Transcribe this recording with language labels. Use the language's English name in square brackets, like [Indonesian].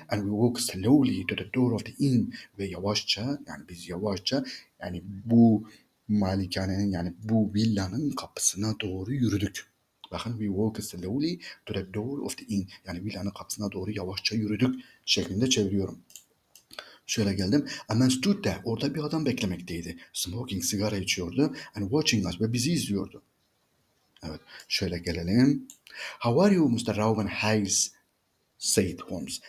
[English] And we walked slowly to the door of the inn. [Turkish] Ve yavaşça, yani biz yavaşça, yani bu malikanenin, yani bu villanın kapısına doğru yürüdük. [English] Bakın, we walk slowly to the door of the inn. [Turkish] Yani villanın kapısına doğru yavaşça yürüdük şeklinde çeviriyorum. Şöyle geldim. [English] A man stood there. [Turkish] Orada bir adam beklemekteydi. [English] Smoking, [Turkish] sigara içiyordu. [English] And watching us. [Turkish] Ve bizi izliyordu. Evet. Şöyle gelelim. [English] How are you, Mr. Rowan Hayes? Said Holmes.